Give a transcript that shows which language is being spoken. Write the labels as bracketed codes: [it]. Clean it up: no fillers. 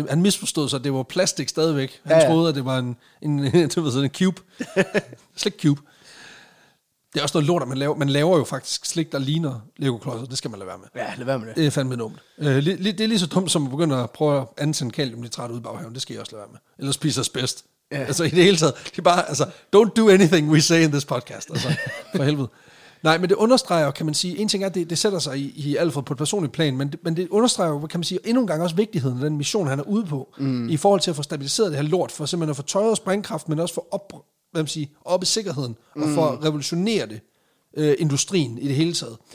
[da] Han misforstod sig, at det var plastik stadigvæk. Han troede, at det var en cube. Slik cube. Det er også noget lort, at man laver. Man laver jo faktisk slik, der ligner Lego-klodser. Det skal man lade være med. Ja, lade være med det. Det er fandme dumt. Det er lige så dumt, som at begynde at prøve at antænde kaliumnitrat ud i baghaven. Det skal jeg også lade være med. Eller spise asbest. Ja. Altså i det hele taget. Det er bare, altså, [en] don't do anything we say in this podcast. [da] Altså, for helvede. Nej, men det understreger, kan man sige, en ting er, at det sætter sig i Alfred på et personligt plan, men det understreger, kan man sige, endnu en gang også vigtigheden af den mission, han er ude på, i forhold til at få stabiliseret det her lort, for simpelthen at få tøjet og sprængkraft, men også for op i sikkerheden, og for at revolutionere det, industrien i det hele taget.